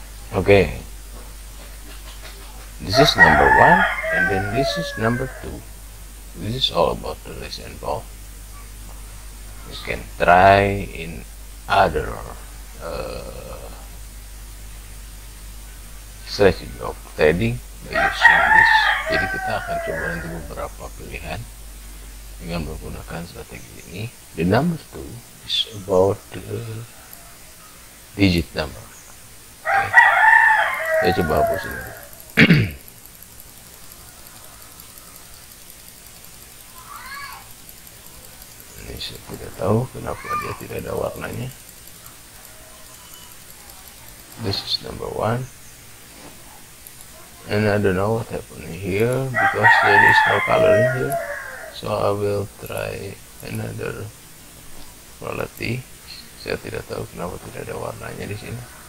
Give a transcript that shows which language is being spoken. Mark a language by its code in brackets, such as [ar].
[en] Okay, this is number one, and then this is number two. This is all about the rise and fall. You can try in other strategy of trading by using this. [id] Jadi kita akan coba nanti beberapa pilihan dengan menggunakan strategi ini. [en] The number two is about the digit number. [id] Okay. Saya coba hapus ini. Saya tidak tahu kenapa dia tidak ada warnanya. [en] This is number one, and I don't know what happened here because there is no color in here, so I will try another quality. [id] Saya tidak tahu kenapa tidak ada warnanya di sini.